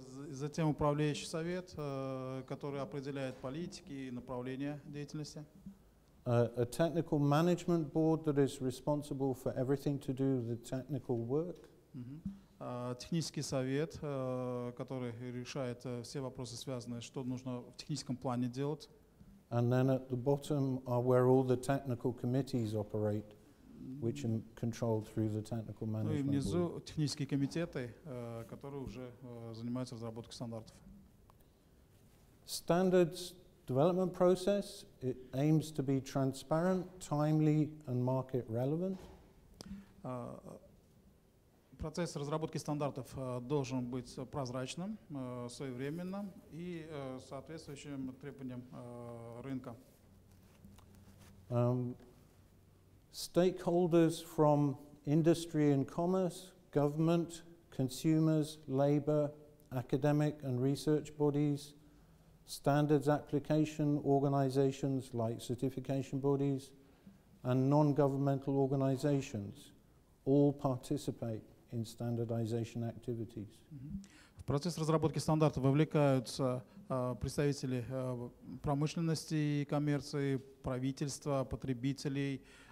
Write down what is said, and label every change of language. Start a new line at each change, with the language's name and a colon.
Russian: Затем управляющий совет, который определяет политики и направления деятельности.
English: A technical management board that is responsible for everything to do with the technical work.
Russian: Технический совет, который решает все вопросы, связанные, что нужно в техническом плане делать.
English: And then at the bottom are where all the technical committees operate, which are controlled through the technical management board.
Russian: Ну и внизу технические комитеты, которые уже занимаются разработкой стандартов.
English: Standards development process, it aims to be transparent, timely and market relevant.
Russian: Процесс разработки стандартов должен быть прозрачным, своевременным и соответствующим требованиям рынка.
English: Stakeholders from industry and commerce, government, consumers, labor, academic and research bodies, standards application organizations like certification bodies, and non-governmental organizations all participate in standardization activities.
Russian: В процесс разработки стандартов вовлекаются представители промышленности и коммерции, правительства, потребителей,